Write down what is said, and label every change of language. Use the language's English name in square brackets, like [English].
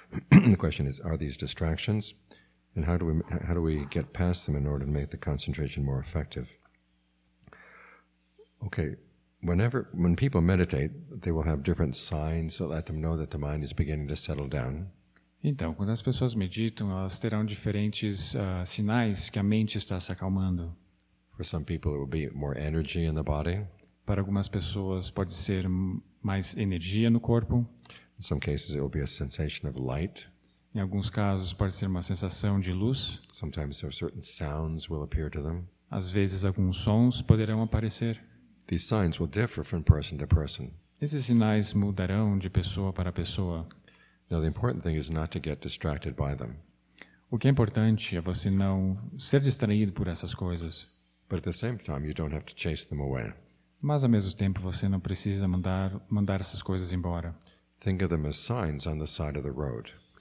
[English] The question is, are these distractions? And how do we get past them in order to make the concentration more effective? Okay, when people meditate, they will have different signs that let them know that the mind is beginning to settle down. [Portuguese] Então, quando as pessoas meditam, elas terão diferentes sinais que a mente está se acalmando. [English] For some people, it will be more energy in the body. [Portuguese] Para algumas pessoas, pode ser mais energia no corpo. [English] In some cases, it will be a sensation of light. [Portuguese] Em alguns casos, pode ser uma sensação de luz. [English] Sometimes there are certain sounds will appear to them. [Portuguese] Às vezes, alguns sons poderão aparecer. [English] These signs will differ from person to person. [Portuguese] Esses sinais mudarão de pessoa para pessoa. [English] Now the important thing is not to get distracted by them. [Portuguese] O que é importante é você não ser distraído por essas coisas. [English] But at the same time, you don't have to chase them away. [Portuguese] Mas ao mesmo tempo, você não precisa mandar essas coisas embora. [English] Think of them as signs on the side of the road.